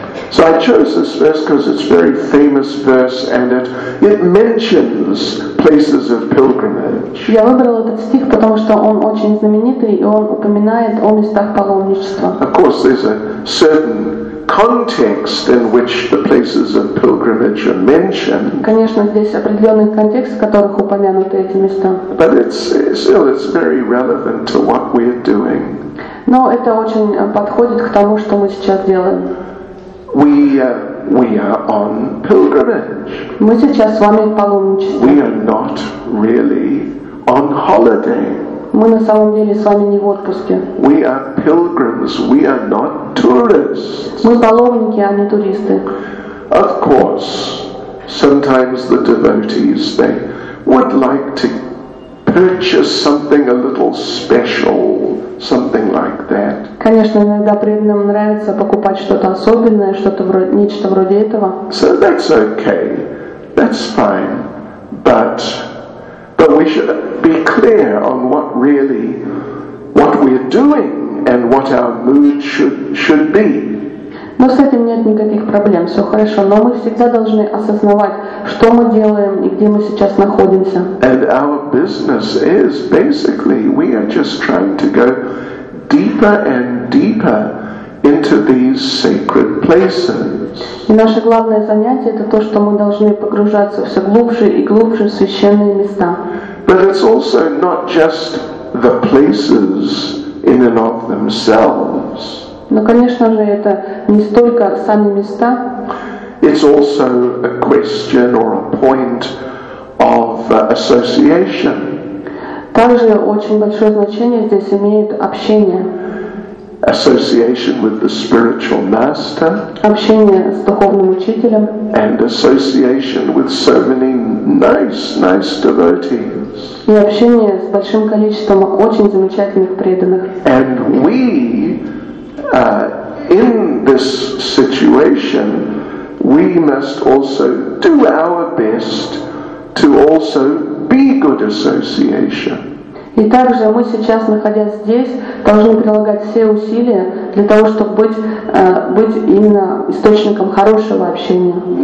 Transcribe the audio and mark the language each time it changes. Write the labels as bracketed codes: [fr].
[en] So I chose this verse because it's a very famous verse and it mentions places of pilgrimage. [ru] Я выбрал этот стих, потому что он очень знаменитый и он упоминает о местах паломничества. [en] Of course, there's a certain context in which the places of pilgrimage are mentioned. [ru] Конечно, здесь определенный контекст, в которых упомянуты эти места. [en] But it's very relevant to what we're doing. [ru] Но это очень подходит к тому, что мы сейчас делаем. [en] We are on pilgrimage. [ru] Мы сейчас с вами в паломничестве. [en] We are not really on holiday. [ru] Мы на самом деле с вами не в отпуске. [en] We are pilgrims. We are not tourists. [ru] Мы паломники, а не туристы. [en] Of course, sometimes the devotees they would like to purchase something a little special. Something like that. [ru] Конечно, иногда преданным нравится покупать что-то особенное, что-то вроде, нечто вроде этого. [en] So that's okay, that's fine, but we should be clear on what we're doing and what our mood should be. [ru] Но с этим нет никаких проблем, все хорошо, но мы всегда должны осознавать, что мы делаем и где мы сейчас находимся. [en] And our business is basically we are just trying to go deeper and deeper into these sacred places. [ru] И наше главное занятие это то, что мы должны погружаться все глубже и глубже в священные места. [en] But it's also not just the places in and of themselves. [ru] Но, конечно же, это не столько сами места. [en] It's also a question or a point of association. [ru] Также очень большое значение здесь имеет общение. [en] Association with the spiritual master. [ru] Общение с духовным учителем. [en] And association with so many nice devotees. [ru] И общение с большим количеством очень замечательных преданных. [en] And we in this situation, we must also do our best to also be good association. [ru] И также мы сейчас, находясь здесь, должны прилагать все усилия для того, чтобы быть именно источником хорошего общения.